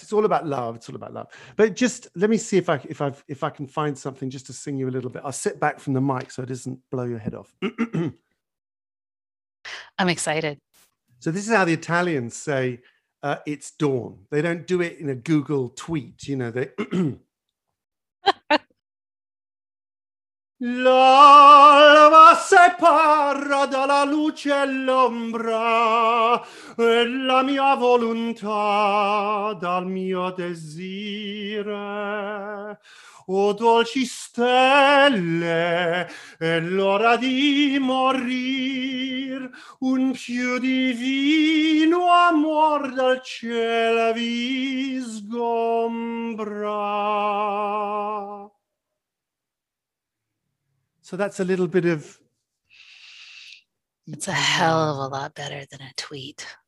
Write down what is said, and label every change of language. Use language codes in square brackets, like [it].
[en] It's all about love. It's all about love. But just let me see if I can find something just to sing you a little bit. I'll sit back from the mic so it doesn't blow your head off. I'm excited. So this is how the Italians say it's dawn. They don't do it in a Google tweet, you know, they... [it] L'alba separa dalla luce l'ombra e la mia volontà dal mio desire. O dolci stelle, è l'ora di morir, un più divino amor dal cielo vi sgombra. [en] So that's a little bit of... It's a hell of a lot better than a tweet.